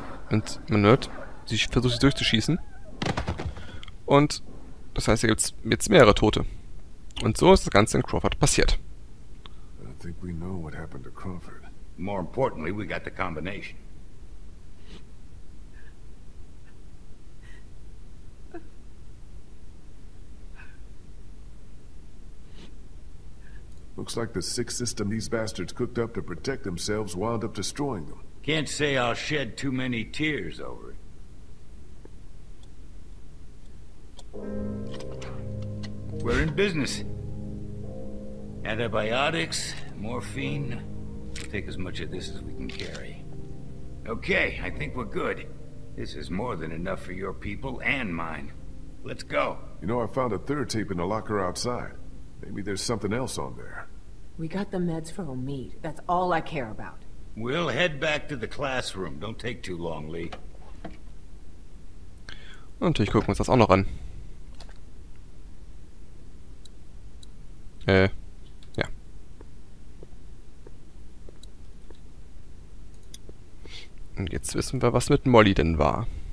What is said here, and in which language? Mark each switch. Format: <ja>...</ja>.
<de>Und man hört, sie versucht sich durchzuschießen. Und das heißt, hier gibt es jetzt mehrere Tote. Und so ist das Ganze in Crawford passiert.</de> <en>I think we know what happened to Crawford. More importantly, we got the combination. Looks like the sick system these bastards cooked up to protect themselves wound up destroying them. Can't say I'll shed too many tears over it. We're in business. Antibiotics, morphine. We'll take as much of this as we can carry. Okay, I think we're good. This is more than enough for your people and mine. Let's go. You know, I found a third tape in the locker outside. Maybe there's something else on there. We got the meds for Omid. That's all I care about. We'll head back to the classroom. Don't take too long, Lee.</en> <de>Und natürlich gucken wir uns das auch noch an. Ja. Und jetzt wissen wir, was mit Molly denn war.</de>